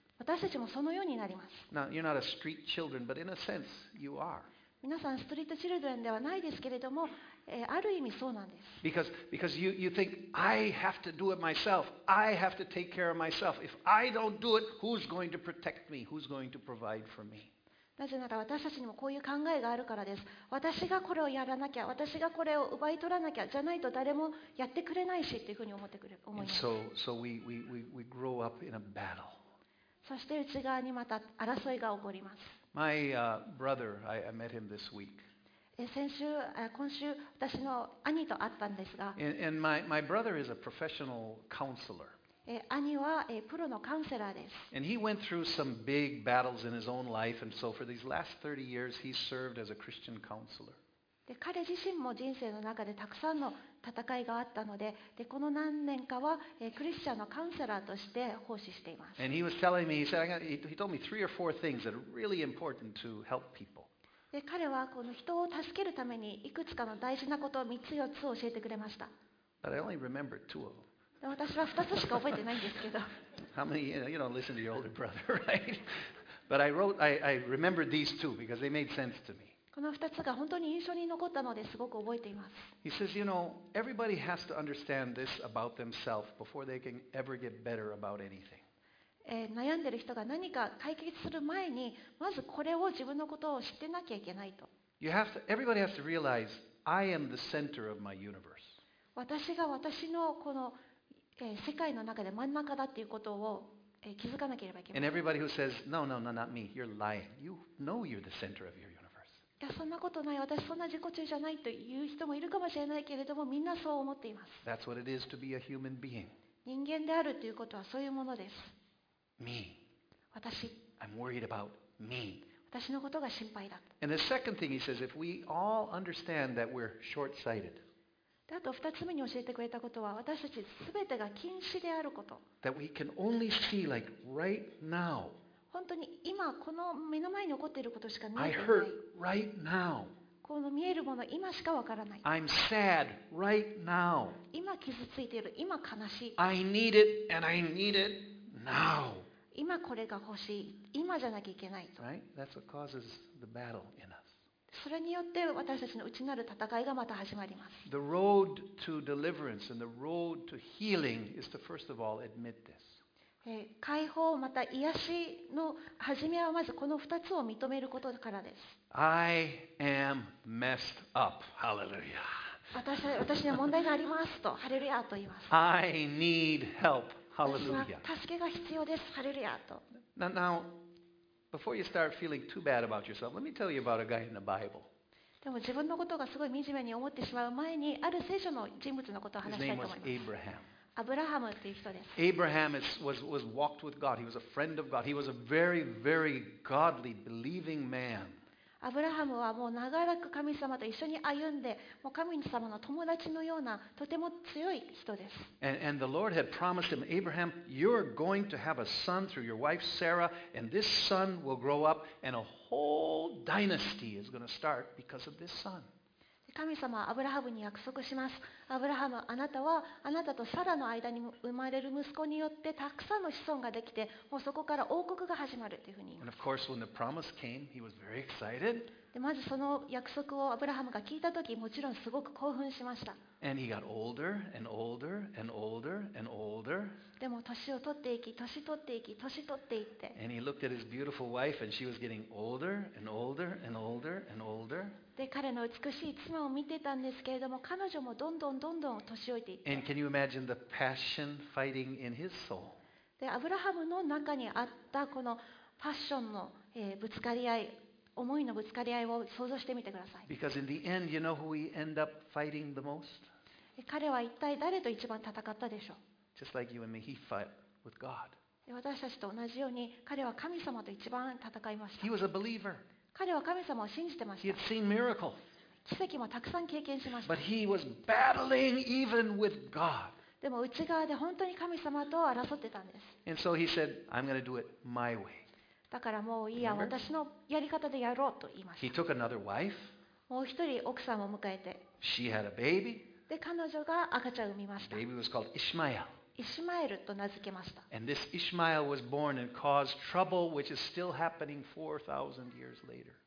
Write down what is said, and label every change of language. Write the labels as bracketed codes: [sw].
[ja] 私たちもそのようになります。 [en] Now, you're not a street children, but in a sense, you are. [ja] 皆さんストリートチルドレンではないですけれども、ある意味そうなんです。 [en] because you think, I have to do it myself. I have to take care of myself. If I don't do it, who's going to protect me? Who's going to provide for me? [ja] なぜなら私たちにもこういう考えがあるからです。私がこれをやらなきゃ、私がこれを奪い取らなきゃじゃないと誰もやってくれないしというふうに思います。 [en] So we grow up in a battle. [ja] そして内側にまた争いが起こります。 [en] My brother, I met him this week. [ja] 今週私の兄と会ったんですが、 [en] And my brother is a professional counselor. [ja] 兄はプロのカウンセラーです。 [en] And he went through some big battles in his own life, and so for these last 30 years, he served as a Christian counselor. [ja] で、彼自身も人生の中でたくさんの戦いがあったので、で、この何年かはクリスチャンのカウンセラーとして奉仕しています。 [en] And he was telling me, he told me three or four things that are really important to help people. [ja] で、彼はこの人を助けるためにいくつかの大事なことを3つ4つ教えてくれました。 [en] But I only remember two of them. [ja] 私は2つしか覚えてないんですけど。 [en] How many, you know, listen to your older brother, right? But I wrote, I remembered these two because they made sense to me. [ja] この2つが本当に印象に残ったのですごく覚えています。 [en] He says, you know, everybody has to understand this about themselves before they can ever get better about anything. [ja] 悩んでる人が何か解決する前に、まずこれを自分のことを知ってなきゃいけないと。 [en] You have to, everybody has to realize, I am the center of my universe. [ja] 私が私のこの世界の中で真ん中だということを気づかなければいけません。 [en] And everybody who says, no, no, no, not me, you're lying. You know you're the center of your universe. [ja] いや、そんなことない。私そんな自己中じゃないという人もいるかもしれないけれども、みんなそう思っています。 [en] That's what it is to be a human being. [ja] 人間であるということはそういうものです。 [en] Me. [ja] 私。 [en] I'm worried about me. [ja] 私のことが心配だ。 [en] And the second thing he says, if we all understand that we're short-sighted, [ja] あと二つ目に教えてくれたことは、私たちすべてが近視であること。 [en] That we can only see like right now. [ja] 本当に今この目の前に起こっていることしか見えていない。 [en] I hurt right now. [ja] この見えるもの今しかわからない。 [en] I'm sad right now. [ja] 今傷ついている、今悲しい。 [en] I need it and I need it now. [ja] 今これが欲しい、今じゃなきゃいけないと。 [en] Right? That's what causes the battle in us. [ja] それによって私たちの内なる戦いがまた始まります。 [en] The road to deliverance and the road to healing is to first of all admit this. [ja] 解放また癒しの始めはまずこの2つを認めることからです。 [en] I am messed up. Hallelujah. [ja] 私には問題がありますと、ハレルヤと言います。 [en] I need help. Hallelujah. [ja] 私は助けが必要です。ハレルヤと。 [en] Now,Before you start feeling too bad about yourself, let me tell you about a guy in the Bible. [ja] でも自分のことがすごい惨めに思ってしまう前に、ある聖書の人物のことを話したいと思います。 [en] His name was Abraham. [ja] アブラハムという人です。 [en] Abraham was walked with God. He was a friend of God. He was a very, very godly, believing man. [ja] アブラハムはもう長らく神様と一緒に歩んで、もう神様の友達のようなとても強い人です。 [en] And the Lord had promised him, Abraham, you're going to have a son through your wife Sarah, and this son will grow up, and a whole dynasty is going to start because of this son. [ja] 神様はアブラハムに約束します。アブラハム、あなたはあなたとサラの間に生まれる息子によってたくさんの子孫ができて、もうそこから王国が始まるというふうに言います。 [en] And of course, when the promise came, he was very excited. [ja] で、まずその約束をアブラハムが聞いたとき、もちろんすごく興奮しました。 [en] And he got older and older and older and older. [ja] でも年を取っていき、年取っていき、年取っていって。 [en] And he looked at his beautiful wife, and she was getting older and older and older and older. [ja] で彼の美しい妻を見てたんですけれども、彼女もどんどんどんどん年老いていって。 [en] And can you imagine the passion fighting in his soul? [ja] でアブラハムの中にあったこのパッションの、ぶつかり合い、思いのぶつかり合いを想像してみてください。 [en] Because in the end, you know who he ended up fighting the most? [ja] 彼は一体誰と一番戦ったでしょう [en] ？Just like you and me, he fought with God. [ja] 私たちと同じように彼は神様と一番戦いました。 [en] He was a believer. [ja] 彼は神様を信じてました。 [en] He had seen miracles. [ja] 奇跡もたくさん経験しました。 [en] But he was battling even with God. [ja] でも内側で本当に神様と争ってたんです。 [en] And so he said, I'm going to do it my way. [ja] だからもういいや、 [en] Remember? [ja] 私のやり方でやろうと言いました。 He took another wife. もう一人奥さんを迎えて。 She had a baby. で彼女が赤ちゃんを産みました。 The baby was called Ishmael. イシュマエルと名付けました。 [en] And this Ishmael was born and caused trouble, which is still happening 4,000 years later.